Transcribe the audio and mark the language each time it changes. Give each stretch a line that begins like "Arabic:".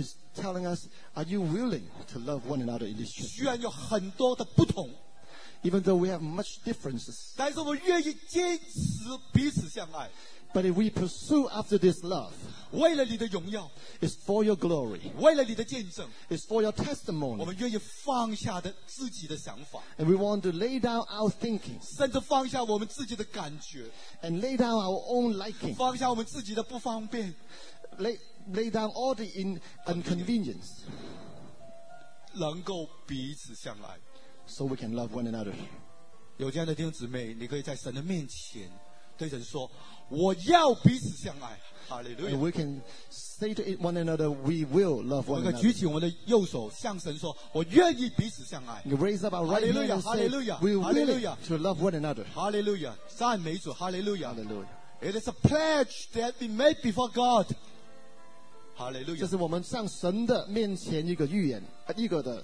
English: It's telling us, are you willing to love one another in this church?
Chinese: 虽然有很多的不同。
English: Even though we have much differences.
Chinese: 但是我愿意坚持彼此相爱。
English: But if we pursue after this love,
Chinese: 为了你的荣耀,
English: it's for your glory,
Chinese: 为了你的见证,
English: it's for your testimony,
Chinese: 我们愿意放下的自己的想法,
English: and we want to lay down our thinking,
Chinese: 甚至放下我们自己的感觉,
English: and lay down our own liking,
Chinese: 放下我们自己的不方便,
English: lay down all the inconvenience,
Chinese: 能够彼此相爱,
English: so we can love one another.
Chinese: 有这样的弟兄姊妹, 你可以在神的面前对神说，我要彼此相爱。
English: Hallelujah. And we can say to one another, we will love one another.
Chinese: 举起我们的右手向神说，我愿意彼此相爱。
English: You raise up our right hand and say, Hallelujah. We will to love one another.
Chinese: Hallelujah. 赞美主。Hallelujah.
English: Hallelujah. It is a pledge that we made before God. Hallelujah.
Chinese: 这是我们向神的面前一个预言，一个的